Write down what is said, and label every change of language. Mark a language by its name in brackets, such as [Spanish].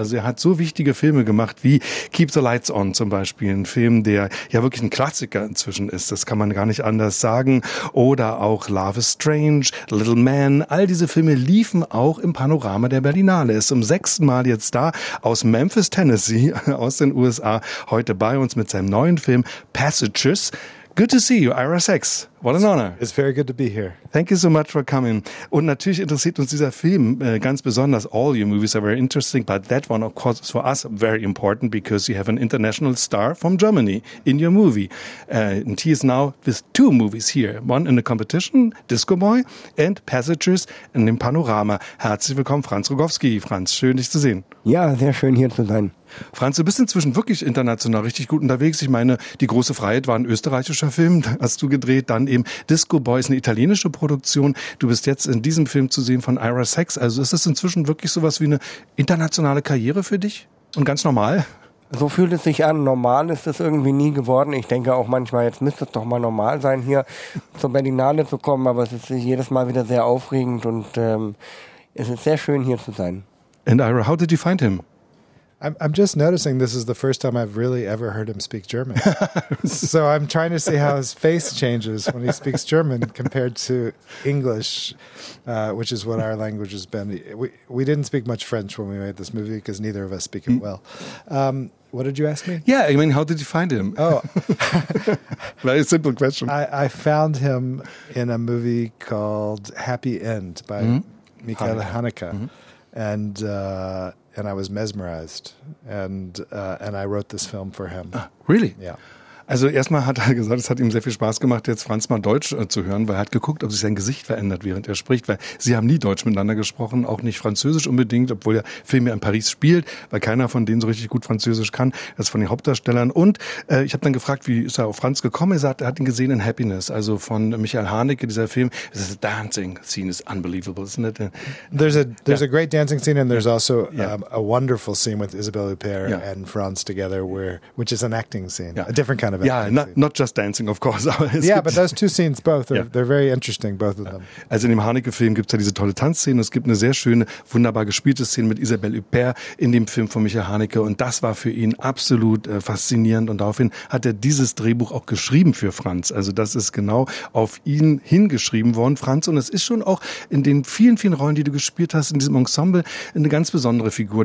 [German] Also er hat so wichtige Filme gemacht wie Keep the Lights On zum Beispiel, ein Film, der ja wirklich ein Klassiker inzwischen ist, das kann man gar nicht anders sagen, oder auch Love is Strange, Little Man, all diese Filme liefen auch im Panorama der Berlinale. Er ist zum sechsten Mal jetzt da, aus Memphis, Tennessee, aus den USA, heute bei uns mit seinem neuen Film Passages. [English] Good to see you, Ira Sax. What an honor. It's very good to be here. Thank you so much for coming. [German] Und natürlich interessiert uns dieser Film ganz besonders. [English] All your movies are very interesting, but that one, of course, is for us very important because you have an international star from Germany in your movie. And he is now with two movies here. One in the competition, Disco Boy, and Passages [German] in dem Panorama. Herzlich willkommen, Franz Rogowski. Franz, schön, dich zu sehen. Ja, sehr schön, hier zu sein. Franz, du bist inzwischen wirklich international richtig gut unterwegs. Ich meine, Die große Freiheit war ein österreichischer Film, hast du gedreht. Dann eben Disco Boy ist eine italienische Produktion. Du bist jetzt in diesem Film zu sehen von Ira Sax. Also ist das inzwischen wirklich sowas wie eine internationale Karriere für dich? Und ganz normal? So fühlt es sich an. Normal ist es irgendwie nie geworden. Ich denke auch manchmal, jetzt müsste es doch mal normal sein, hier zur Berlinale zu kommen. Aber es ist jedes Mal wieder sehr aufregend und es ist sehr schön, hier zu sein. [English] And Ira, how did you find him? I'm just noticing this is the first time I've really ever heard him speak German. So I'm trying to see how his face changes when he speaks German compared to English, which is what our language has been. We didn't speak much French when we made this movie because neither of us speak it well. What did you ask me? Yeah, I mean, how did you find him? Oh. Very simple question. I found him in a movie called Happy End by Michael Haneke. And I was mesmerized and I wrote this film for him. Ah, really? Yeah. [German] Also erstmal hat er gesagt, es hat ihm sehr viel Spaß gemacht, jetzt Franz mal Deutsch zu hören, weil er hat geguckt, ob sich sein Gesicht verändert, während er spricht, weil sie haben nie Deutsch miteinander gesprochen, auch nicht Französisch unbedingt, obwohl der Film ja in Paris spielt, weil keiner von denen so richtig gut Französisch kann, das ist von den Hauptdarstellern. Und ich habe dann gefragt, wie ist er auf Franz gekommen? Er sagt, er hat ihn gesehen in Happiness, also von Michael Haneke, dieser Film. [English] This is a dancing scene is unbelievable, isn't it? There's a great dancing scene and there's also a wonderful scene with Isabelle Huppert and Franz together, which is an acting scene, a different kind of. Ja, not just dancing, of course. But those two scenes, both, they're very interesting, both of them. [German] Also in dem Haneke-Film gibt es ja diese tolle Tanzszene. Es gibt eine sehr schöne, wunderbar gespielte Szene mit Isabelle Huppert in dem Film von Michael Haneke. Und das war für ihn absolut faszinierend. Und daraufhin hat er dieses Drehbuch auch geschrieben für Franz. Also das ist genau auf ihn hingeschrieben worden, Franz. Und es ist schon auch in den vielen, vielen Rollen, die du gespielt hast, in diesem Ensemble, eine ganz besondere Figur.